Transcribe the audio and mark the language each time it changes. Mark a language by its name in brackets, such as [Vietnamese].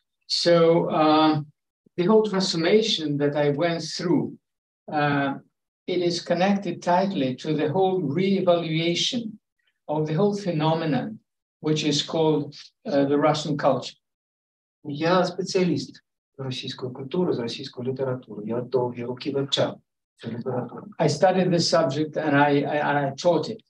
[English] So the whole transformation that I went through, it is connected tightly to the whole re-evaluation of the whole phenomenon, which is called the Russian culture. [Ukrainian] Я спеціаліст російської культури, з російської літератури. Я довгі роки вивчав цю літературу. [English] I studied this subject and I taught it.